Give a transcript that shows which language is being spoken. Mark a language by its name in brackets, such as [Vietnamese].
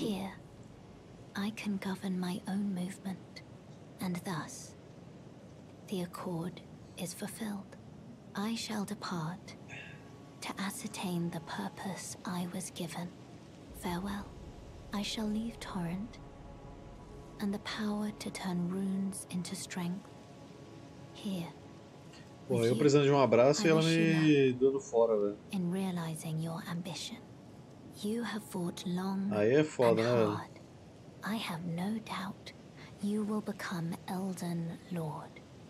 [English] Here, I can govern my own movement, and thus, the accord is fulfilled. I shall depart to ascertain the purpose I was given. Farewell. I shall leave Torrent, and the power to turn runes into strength. Here. [Portuguese] Pô, eu precisando de um abraço e ela me dando fora, velho. [English] In realizing your ambition, you have fought long. [Portuguese] Aí é foda, né? [English] I have no doubt you will become Elden Lord.